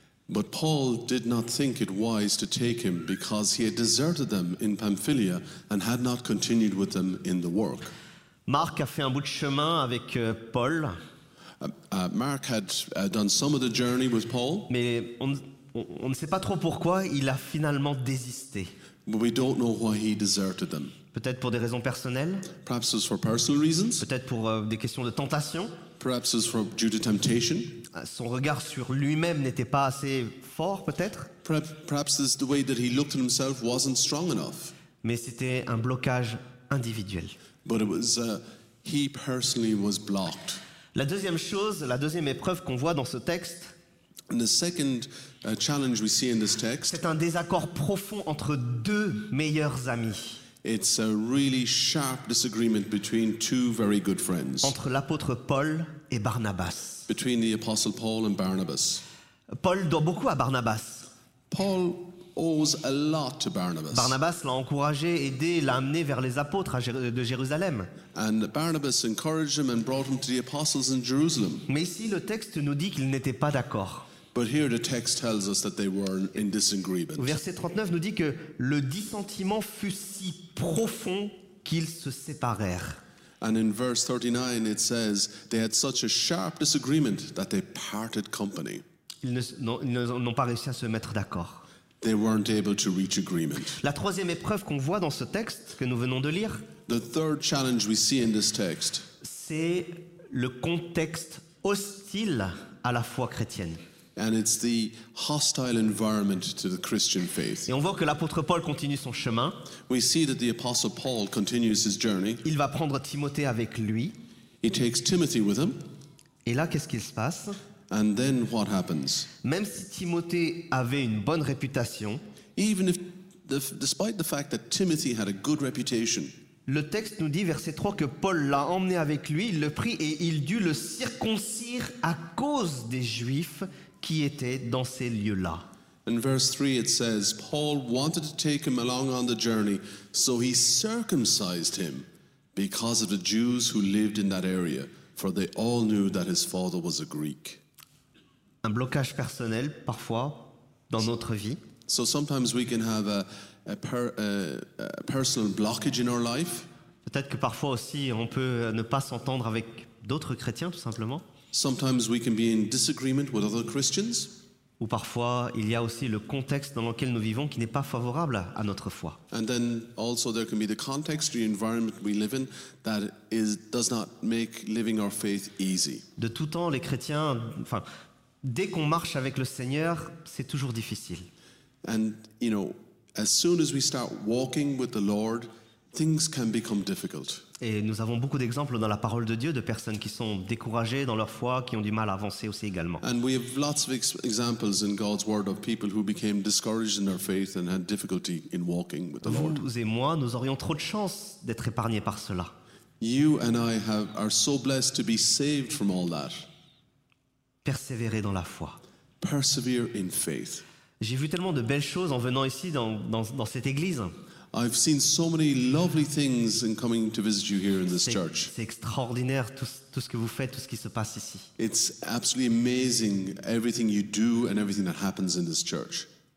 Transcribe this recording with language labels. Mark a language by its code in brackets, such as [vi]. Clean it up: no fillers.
[en] But Paul did not think it wise to take him because he had deserted them in Pamphylia and had not continued with them in the work. [fr] Marc a fait un bout de chemin avec Paul. [en] Mark had done some of the journey with Paul. [fr] Mais on ne sait pas trop pourquoi il a finalement désisté. [en] But we don't know why he deserted them. [fr] Peut-être pour des raisons personnelles. [en] Perhaps it was for personal reasons. [fr] Peut-être pour des questions de tentation. [en] Perhaps it was for due to temptation. [fr] Son regard sur lui-même n'était pas assez fort, peut-être. [en] Perhaps this, the way that he looked at himself wasn't strong enough. [fr] Mais c'était un blocage individuel. [en] But it was he personally was blocked. [fr] La deuxième chose, la deuxième épreuve qu'on voit dans ce texte. [en] And the second challenge we see in this text. [fr] C'est un désaccord profond entre deux meilleurs amis. [en] It's a really sharp disagreement between two very good friends. [fr] Entre l'apôtre Paul et Barnabas. [en] Between the apostle Paul and Barnabas. [fr] Paul doit beaucoup à Barnabas. [en] Paul owes a lot to Barnabas. [fr] Barnabas l'a encouragé, aidé, l'a amené vers les apôtres de Jérusalem. [en] And Barnabas encouraged him and brought him to the apostles in Jerusalem. [fr] Mais ici le texte nous dit qu'ils n'étaient pas d'accord. [en] But here the text tells us that they were in disagreement. [fr] Verset 39 nous dit que le dissentiment fut si profond qu'ils se séparèrent. [en] And in verse 39 it says they had such a sharp disagreement that they parted company. [fr] Ils n'ont pas réussi à se mettre d'accord. [en] They weren't able to reach agreement. [fr] La troisième épreuve qu'on voit dans ce texte que nous venons de lire, [en] the third challenge we see in this text, [fr] c'est le contexte hostile à la foi chrétienne. [en] And it's the hostile environment to the Christian faith. [fr] Et on voit que l'apôtre Paul continue son chemin. [en] We see that the apostle Paul continues his journey. [fr] Il va prendre Timothée avec lui. [en] He takes Timothy with him. [fr] Et là, qu'est-ce qu'il se passe? [en] And then what happens? [fr] Même si Timothée avait une bonne réputation, [en] even if despite the fact that Timothy had a good reputation, [fr] le texte nous dit, verset 3, que Paul l'a emmené avec lui, il le prit et il dut le circoncire à cause des Juifs qui étaient dans ces lieux-là. [en] In verse 3, it says, Paul wanted to take him along on the journey, so he circumcised him because of the Jews who lived in that area, for they all knew that his father was a Greek. [fr] Un blocage personnel, parfois, dans notre vie. [en] So sometimes we can have a personal blockage in our life. [fr] Peut-être que parfois aussi, on peut ne pas s'entendre avec d'autres chrétiens, tout simplement. [en] Sometimes we can be in disagreement with other Christians. [fr] Ou parfois, il y a aussi le contexte dans lequel nous vivons qui n'est pas favorable à notre foi. [en] And then also there can be the context, the environment we live in, that is, does not make living our faith easy. [fr] De tout temps, les chrétiens, enfin, dès qu'on marche avec le Seigneur, c'est toujours difficile. [en] And, you know, as soon as we start walking with the Lord, things can become difficult. [fr] Et nous avons beaucoup d'exemples dans la parole de Dieu de personnes qui sont découragées dans leur foi, qui ont du mal à avancer aussi également. [en] And we have lots of examples in God's word of people who became discouraged in their faith and had difficulty in walking with the Lord. [fr] Vous et moi, nous aurions trop de chance d'être épargnés par cela. [en] You and I are so blessed to be saved from all that. [fr] Persévérer dans la foi. [en] Persevere in faith. [fr] J'ai vu tellement de belles choses en venant ici dans cette église. [en] I've seen so many lovely things in coming to visit you here in this church. [fr] C'est extraordinaire tout ce que vous faites, tout ce qui se passe ici. [en] It's absolutely amazing everything you do and everything that happens in this church.